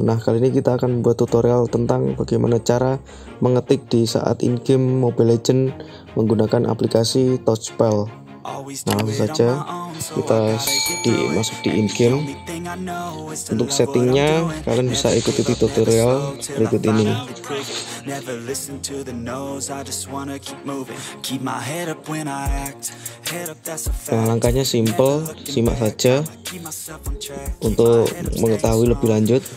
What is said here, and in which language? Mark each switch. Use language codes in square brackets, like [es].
[id] Nah, kali ini kita akan membuat tutorial tentang bagaimana cara mengetik di saat in-game Mobile Legends menggunakan aplikasi Touchpad. Nah, langsung saja kita masuk di in-game. Untuk settingnya, kalian bisa ikuti di tutorial berikut ini. [en] Never listen to the nose, I just wanna keep moving. Keep my head up when I act. [id] Nah, langkahnya simple, simak saja untuk mengetahui lebih lanjut.